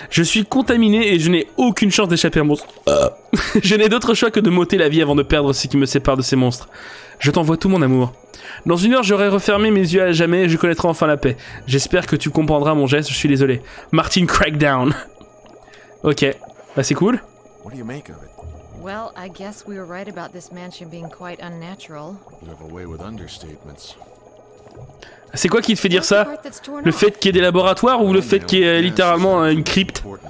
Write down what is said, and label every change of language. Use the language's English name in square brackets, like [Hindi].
[French] Je suis contaminé et je n'ai aucune chance d'échapper à mon... Je n'ai d'autre choix que de m'ôter la vie avant de perdre ce qui me sépare de ces monstres. Je t'envoie tout mon amour. Dans une heure, j'aurai refermé mes yeux à jamais et je connaîtrai enfin la paix. J'espère que tu comprendras mon geste, je suis désolé. Martin Crackdown. Ok. Bah c'est cool. [English] What do you make of it? Well, I guess we were right about this mansion being quite unnatural. You have a way with understatements. [French] C'est quoi qui te fait dire ça? Le fait qu'il y ait des laboratoires ou le fait qu'il y ait littéralement une crypte?